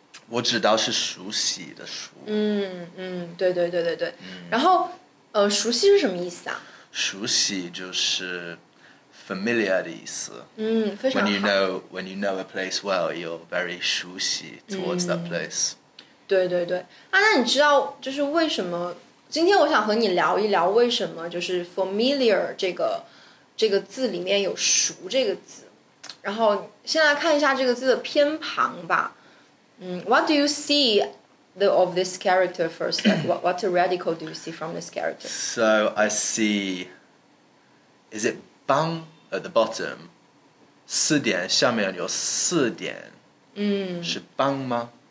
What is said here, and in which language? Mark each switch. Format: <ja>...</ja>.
<zh>我只知道是熟悉的熟。嗯,对对对对对。然后,熟悉是什么意思啊? 熟悉就是familiar的意思。嗯,非常好。</zh> <en>When you know a place well, you're very 熟悉 towards that place.</en> <zh>对对对。那你知道,就是为什么,今天我想和你聊一聊为什么就是familiar这个字里面有熟这个字。然后先来看一下这个字的偏旁吧。</zh> <en>What do you see of this character first? Like, what a radical do you see from this character? So I see, is it bang at the bottom?</en> <zh>四点下面有四点, 是 bang 吗?</zh>